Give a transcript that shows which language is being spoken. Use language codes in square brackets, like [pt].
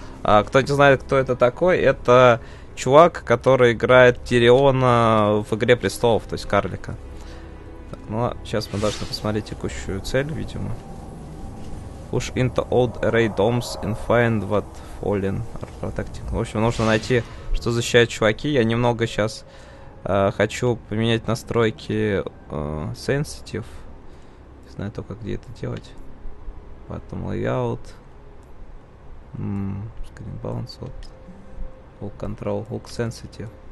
[ru] Кто не знает, кто это такой, это чувак, который играет Тириона в Игре Престолов, то есть карлика. Так, ну, сейчас мы должны посмотреть текущую цель, видимо. [en] Push into old array domes and find what fallen are protecting. [ru] В общем, нужно найти, что защищают чуваки. Я немного сейчас... хочу поменять настройки Sensitive. Не знаю только, где это делать. [en] Bottom layout. Screen balance. Вот. Hook control. Hook sensitive.